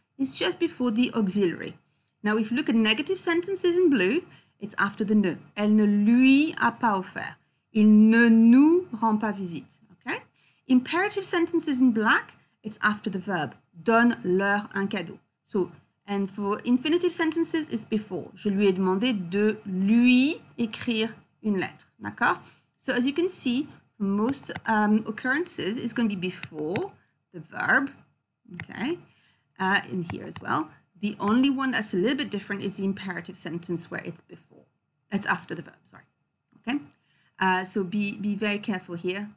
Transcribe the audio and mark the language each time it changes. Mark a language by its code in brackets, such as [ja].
[en] It's just before the auxiliary. Now, if you look at negative sentences in blue, it's after the ne. [fr] Elle ne lui a pas offert. Il ne nous rend pas visite. Okay? [en] Imperative sentences in black, it's after the verb. [fr] Donne leur un cadeau. [en] So, and for infinitive sentences, it's before. [fr] Je lui ai demandé de lui écrire une lettre. D'accord? [en] So, as you can see, most occurrences is going to be before the verb. Okay? In here as well. The only one that's a little bit different is the imperative sentence where it's before. It's after the verb, sorry. Okay? So be very careful here.